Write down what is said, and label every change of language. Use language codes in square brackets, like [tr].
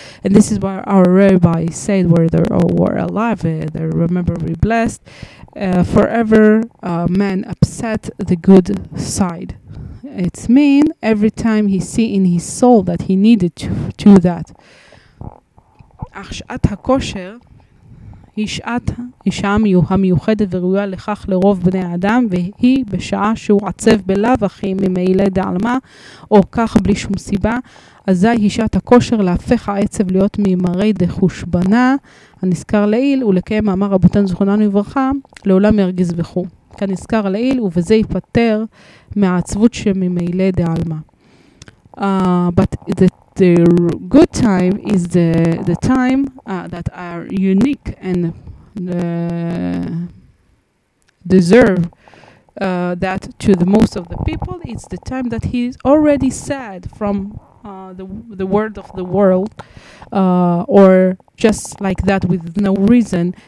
[en] And this is why our rabbi said, where they were alive, they remember we blessed, forever man upset the good side. It mean every time he see in his soul that he needed to do that. [he] אך שעת הכושר היא שעת המיוחדת וראויה לכך לרוב בני האדם, והיא בשעה שהוא עצב בלב אחי ממילא דעלמה או כך בלי שום סיבה, אזי היא שעת הכושר להפך העצב להיות ממראי דחושבנה הנזכר לעיל, ולקיים מאמר רבותינו זכרונם לברכה, לעולם ירגיז וכו כנזכר לעיל, ובזה יפטר מהעצבות שממילא דעלמה. [en] But the good time is the time that are unique and deserve that to the most of the people. It's the time that he's already sad from the word of the world, or just like that with no reason.